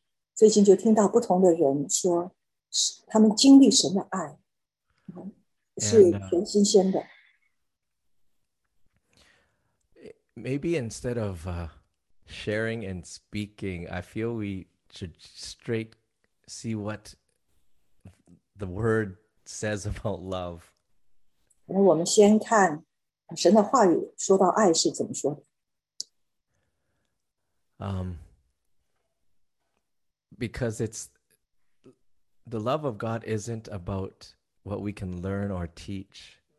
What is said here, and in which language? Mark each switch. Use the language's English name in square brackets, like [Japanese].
[Chinese] 在这个家中我们最近就听到不同的人说, 他们经历神的爱, 是全新鲜的。 [English] Maybe instead of sharing and speaking, I feel we should straight see what the word says about love. [Chinese] 我们先看 神的话语说到爱是怎么说的? [English] Because it's the love of God isn't about what we can learn or teach.